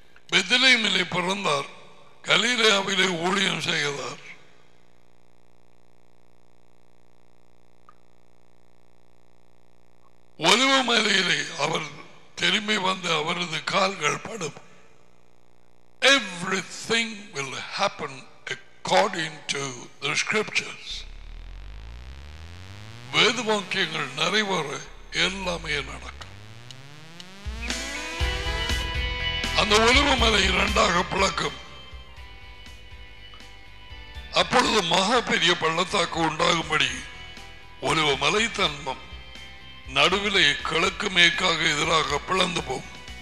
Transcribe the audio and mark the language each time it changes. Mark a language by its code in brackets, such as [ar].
[ta] பெத்லகேமிலே பிறந்தார், கலிலேயாவிலே ஊழியம் செய்தார். ஒலிவமலையிலே அவர் திரும்பி வந்து அவரது கால்கள் படும். [en] Everything will happen according to the scriptures. [ta] வேத வாக்கியங்கள் நிறைவேற எல்லாமே நடக்கும். அந்த ஒலிவமலை இரண்டாக பிளக்கும். அப்பொழுது மகா பெரிய பள்ளத்தாக்கு உண்டாகும்படி ஒலிவமலை தன்மம் நடுவிலே கிழக்கு மேற்காக எதிராக பிளந்து போகும்.